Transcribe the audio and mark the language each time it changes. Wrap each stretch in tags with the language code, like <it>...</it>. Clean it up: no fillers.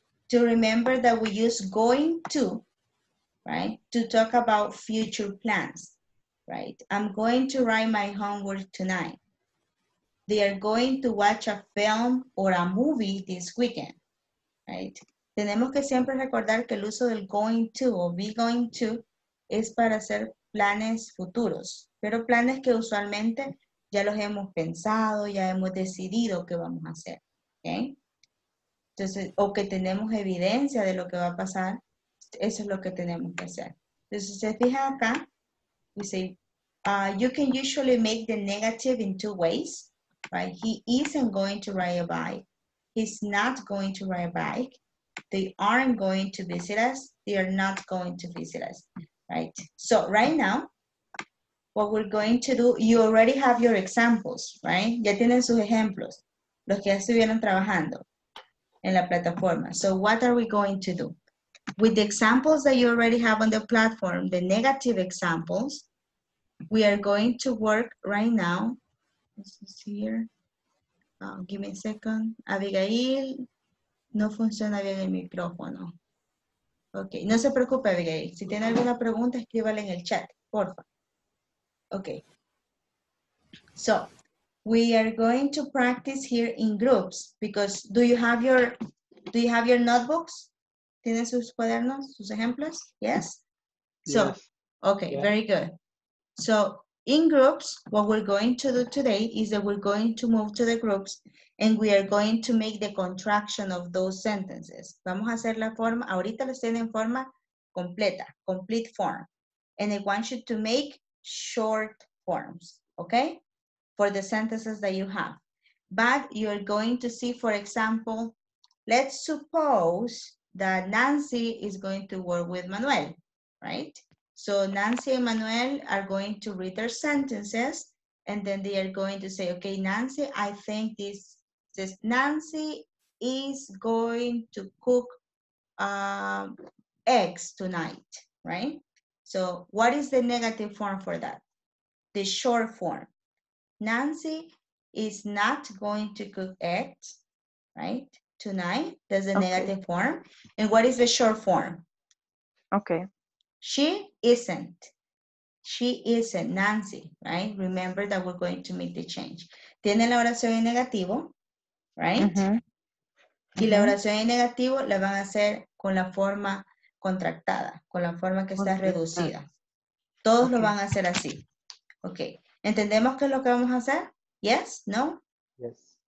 <en>To remember that we use going to, right? To talk about future plans, right? I'm going to write my homework tonight. They are going to watch a film or a movie this weekend, right?</en> <es>Tenemos que siempre recordar que el uso del</es> <en>going to</en> <es>o be going to es para hacer planes futuros, pero planes que usualmente ya los hemos pensado, ya hemos decidido qué vamos a hacer, ¿ok? Entonces, o que tenemos evidencia de lo que va a pasar, eso es lo que tenemos que hacer. Entonces, si se fijan acá,</es> <en>we say, you can usually make the negative in two ways. Right, he isn't going to ride a bike. He's not going to ride a bike. They aren't going to visit us. They are not going to visit us. Right. So right now, what we're going to do, you already have your examples, right?</en> <es>Ya tienen sus ejemplos, los que ya estuvieron trabajando en la plataforma.</es> <en>So what are we going to do? With the examples that you already have on the platform, the negative examples, we are going to work right now. This is here. Oh, give me a second.</en> <es>Abigail, no funciona bien el micrófono.</es> <en>Okay,</en> <es>no se preocupe, Abigail. Si tiene alguna pregunta, escríbala en el chat, porfa.</es> <en>Okay. So, we are going to practice here in groups because do you have your notebooks?</en> <es>¿Tiene sus cuadernos, sus ejemplos?</es> <en>Yes? So, okay, yeah. Very good. So, in groups, what we're going to do today is that we're going to move to the groups and we are going to make the contraction of those sentences.</en> <es>Vamos a hacer la forma, ahorita lo estoy en forma completa,</es> <en>complete form. And I want you to make short forms, okay? For the sentences that you have. But you're going to see, for example, let's suppose that Nancy is going to work with Manuel, right? So Nancy and Manuel are going to read their sentences and then they are going to say, okay, Nancy, I think this says Nancy is going to cook eggs tonight, right? So what is the negative form for that? The short form. Nancy is not going to cook eggs, right? Tonight, that's the negative form. And what is the short form? Okay. She isn't. She isn't Nancy, right? Remember that we're going to make the change.</en> <es>Tiene la oración en negativo,</es> <en>right?</en> <es>Mm-hmm. Y la oración en negativo la van a hacer con la forma contractada, con la forma que está reducida. Todos lo van a hacer así.</es> <en>Okay.</en> <es>¿Entendemos qué es lo que vamos a hacer?</es> <en>Yes, no? Yes.</en>